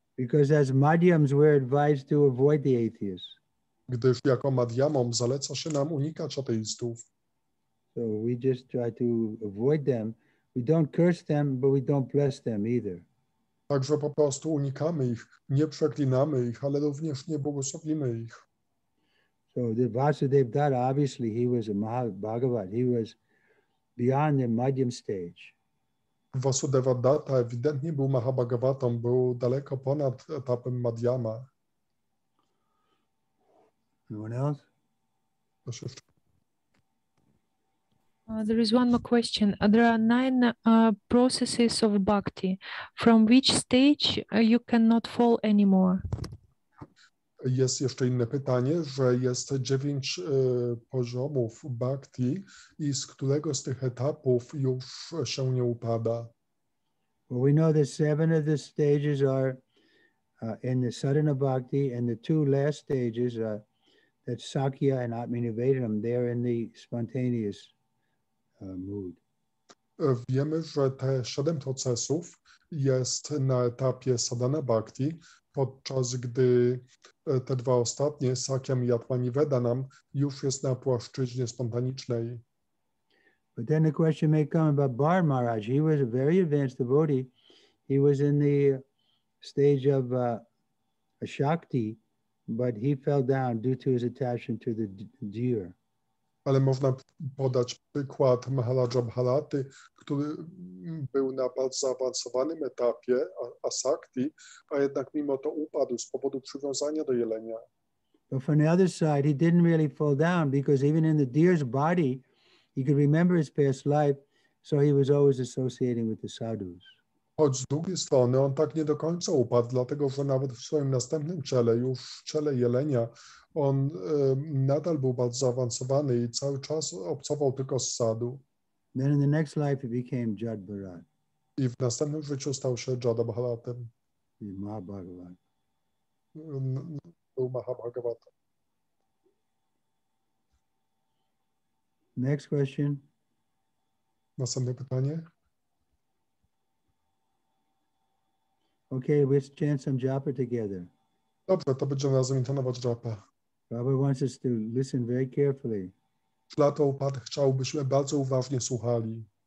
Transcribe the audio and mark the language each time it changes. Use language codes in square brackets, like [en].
[en] Because as Madhyams we're advised to avoid the atheists. [pl] Gdyż jako Madhyamom zaleca się nam unikać ateistów. [en] So we just try to avoid them. We don't curse them, but we don't bless them either. [pl] Także po prostu unikamy ich, nie przeklinamy ich, ale również nie błogosławimy ich. [en] So the Vasudeva Datta, obviously he was a Mahabhagavat. He was beyond the Madhyam stage. [pl] Vasudeva Datta ewidentnie był Mahabhagavatą, był daleko ponad etapem Madhyama. [en] Anyone else? There is one more question. There are 9 processes of bhakti. From which stage you cannot fall anymore? [pl] Jest jeszcze inne pytanie, że jest 9 poziomów bhakti i z którego z tych etapów już się nie upada? [en] Well, we know that 7 of the stages are in the sadhana bhakti and the 2 last stages are that sakya and atmanivedanam, they're in the spontaneous mood. [pl] Wiemy, że te 7 procesów jest na etapie sadhana bhakti, podczas gdy te 2 ostatnie, sakyam i atmanivedanam, już jest na płaszczyźnie spontanicznej. [en] But then the question may come about Bar Maharaj. He was a very advanced devotee. He was in the stage of a shakti, but he fell down due to his attachment to the deer. [pl] Ale można podać przykład Maharaja Bharaty, który był na bardzo zaawansowanym etapie asakti, a jednak mimo to upadł z powodu przywiązania do jelenia. [en] But from the other side, he didn't really fall down because even in the deer's body, he could remember his past life, so he was always associating with the sadhus. [pl] Choć z drugiej strony on tak nie do końca upadł, dlatego że nawet w swoim następnym ciele, już w ciele jelenia, on nadal był bardzo zaawansowany i cały czas obcował tylko z sadhu. [en] Then in the next life he became Jad Bharat. [pl] I w następnym życiu stał się Jada Bharatem. [en] I Mahabhagavat. [pl] Był Mahabhagavatem. [en] Next question. [pl] Następne pytanie. [en] Okay, let's chant some japa together. [pl] Dobrze, to będziemy razem intonować japa. [en] Prabhupada wants us to listen very carefully. [pl] Prabhupada chciałbyśmy bardzo uważnie słuchali.